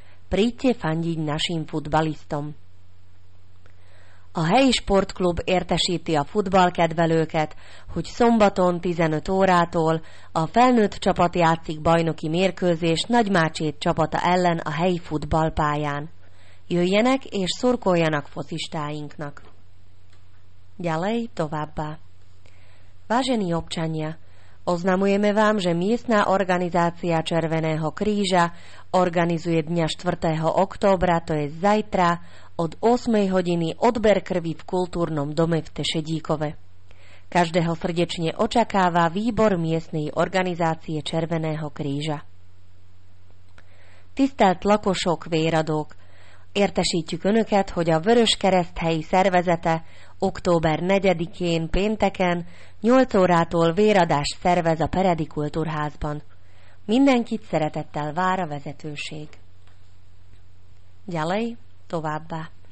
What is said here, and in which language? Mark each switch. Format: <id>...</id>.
<sk>Príďte fandiť našim futbalistom.</sk> <hu>A helyi sportklub értesíti a futballkedvelőket, hogy szombaton 15 órától a felnőtt csapat játszik bajnoki mérkőzés Nagymácsét csapata ellen a helyi futballpályán. Jöjjenek és szurkoljanak focistáinknak.</hu> <sk>Ďalej</sk> <hu>továbbá.</hu> <sk>Vážení občania, oznamujeme vám, že miestna organizácia Červeného kríža organizuje dňa 4. októbra, to je zajtra, od 8. hodiny odber krvi v kultúrnom dome v Tešedíkove. Každého srdečne očakáva výbor miestnej organizácie Červeného kríža.</sk> <hu>Tisztelt lakosok, véradók! Értesítjük önöket, hogy a Vöröskereszt helyi szervezete október 4-én pénteken 8 órától véradást szervez a Peredi Kultúrházban. Mindenkit szeretettel vár a vezetőség. Gyalej, továbbá.</hu>